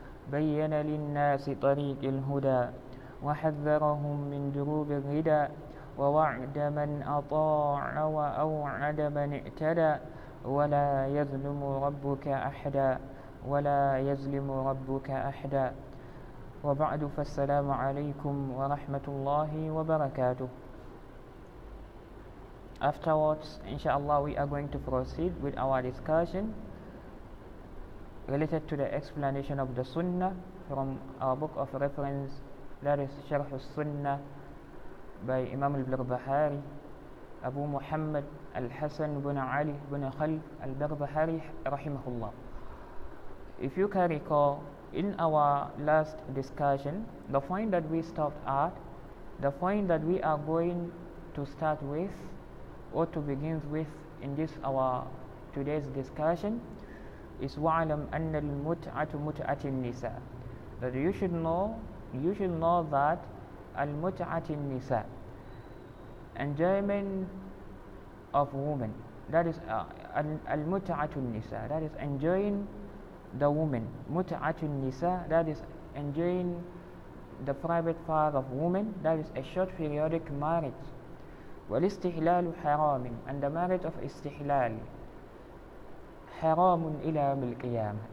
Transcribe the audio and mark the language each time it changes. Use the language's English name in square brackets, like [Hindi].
[Arabic] بين للناس طريق الهدى وحذرهم من دروب الردى ووعد من أطاع وأوعد من اعتدى ولا يظلم ربك أحدا ولا يظلم ربك أحدا وبعد فالسلام عليكم ورحمة الله وبركاته. [English] Afterwards, inshallah, we are going to proceed with our discussion related to the explanation of the Sunnah from our book of reference, that is Sharh al-Sunnah by Imam al-Barbahari, Abu Muhammad al-Hasan ibn Ali ibn Khal al-Barbahari rahimahullah. If you can recall, in our last discussion, the point that we stopped at, the point that we are going to start with, or to begin with in this our today's discussion, is [Arabic] wa'alam anna al-mut'atu mut'ati an-nisa. [English] That you should know that al-mut'ati an-nisa, enjoyment of women, that is al-mut'atu an-nisa, that is enjoying the woman, mut'atu an-nisa, that is enjoying the private part of women, that is a short periodic marriage. [Arabic] والاستحلال حرام [English] and the marriage of [Arabic] استحلال حرام إلى يوم القيامة.